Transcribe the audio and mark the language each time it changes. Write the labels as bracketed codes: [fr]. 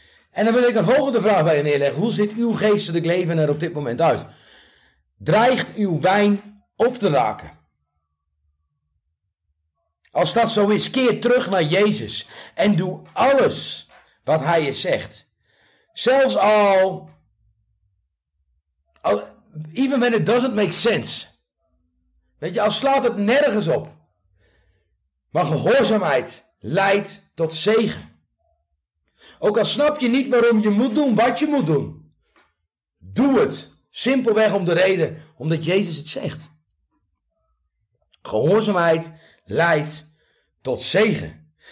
[nl] En dan wil ik een volgende vraag bij je neerleggen. Hoe ziet uw geestelijk leven er op dit moment uit? Dreigt uw wijn op te raken? Als dat zo is, keer terug naar Jezus en doe alles wat hij je zegt. Zelfs al [en] even when it doesn't make sense. [nl] Weet je, al slaat het nergens op. Maar gehoorzaamheid leidt tot zegen. Ook al snap je niet waarom je moet doen wat je moet doen. Doe het. Simpelweg om de reden. Omdat Jezus het zegt. Gehoorzaamheid leidt tot zegen.